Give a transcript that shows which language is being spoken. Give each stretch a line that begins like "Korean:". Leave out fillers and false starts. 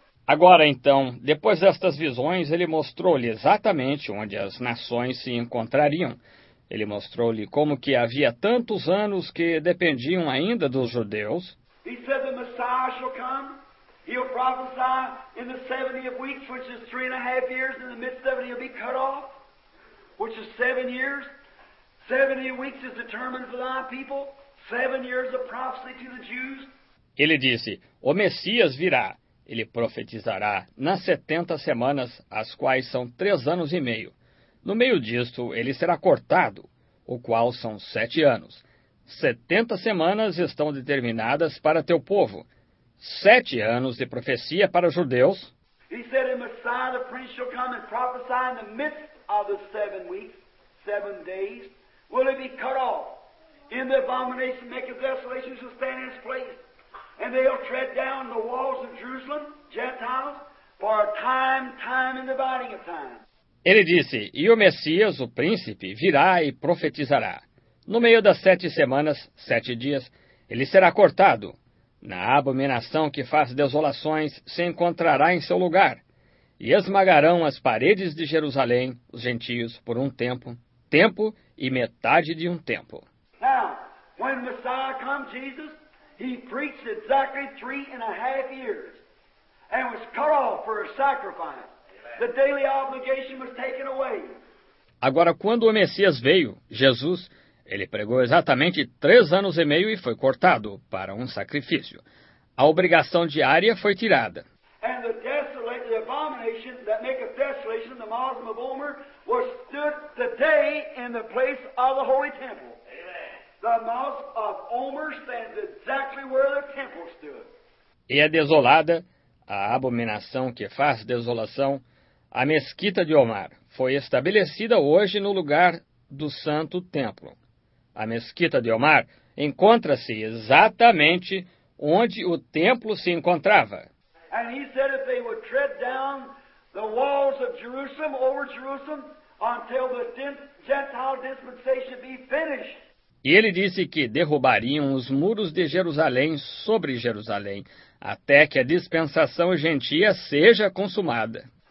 Portuguese: Agora então, depois destas visões, ele mostrou-lhe exatamente onde as nações se encontrariam. Ele mostrou-lhe como que havia tantos anos que dependiam ainda dos judeus.
English: He said the Messiah shall come. He'll prophesy in the 70 of weeks, which is 3.5 years, and the mid-70 will be cut off, which is 7 years. 70 weeks is determined for thy people. 7 years of prophecy to the Jews.
Portuguese: Ele disse, o Messias virá. Ele profetizará nas 70 semanas, as quais são 3 anos e meio. No meio disto, ele será cortado, o qual são 7 anos. 70 semanas estão determinadas para teu povo. 7 anos de profecia para os judeus.
English: He said in Messiah the prince shall come and prophesy in the midst of the 7 weeks, 7 days, will it be cut off. In the abomination make a desolation shall stand in his place. And they'll tread down the walls of Jerusalem, Gentiles, for a time, time and dividing of time.
Portuguese: Ele disse, e o Messias, o príncipe, virá e profetizará. No meio das 7 semanas, 7 dias, ele será cortado. Na abominação que faz desolações, se encontrará em seu lugar. E esmagarão as paredes de Jerusalém, os gentios, por um tempo, tempo e metade de um tempo.
English: Now, when Messiah come, Jesus, he preached exactly 3.5 years and was cut off for a sacrifice. The daily obligation was taken away.
Portuguese: Agora, quando o Messias veio, Jesus, ele pregou exatamente 3.5 anos e foi cortado para um sacrifício. A obrigação diária foi tirada.
English: And the abomination that maketh desolation, the Moslem of Omer, was stood today in the place of the Holy Temple. The mosque of Omer stands exactly where the temple stood.
Portuguese: E é desolada a abominação que faz desolação, a mesquita de Omar, foi estabelecida hoje no lugar do santo templo. A mesquita de Omar encontra-se exatamente onde o templo se encontrava.
English: And he said if they would tread down the walls of Jerusalem, over Jerusalem, until the Gentile dispensation be finished.
Portuguese: E ele disse que derrubariam os muros de Jerusalém sobre Jerusalém, até que a dispensação gentia seja consumada.